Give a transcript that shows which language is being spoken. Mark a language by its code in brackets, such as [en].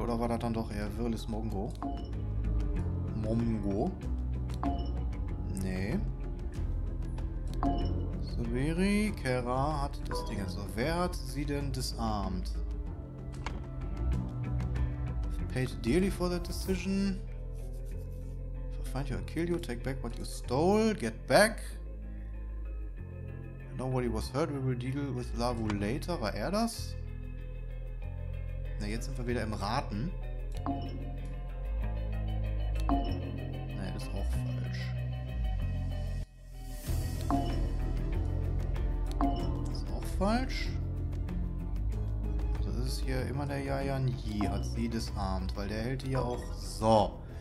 [de] Oder war das dann doch eher Wirlis Mongo? Mongo? Nee. Subirikera hat das Ding. Also, wer hat sie denn disarmed? [en] Paid dearly for that decision. If I find you, I kill you. Take back what you stole. Get back. Nobody was hurt. We will deal with Lavu later. [de] War er das? Na, jetzt sind wir wieder im Raten. Nee, das ist auch falsch. Das ist auch falsch. Das ist hier immer der Yayan Yi, hat sie disarmt, weil der hält die ja auch. So.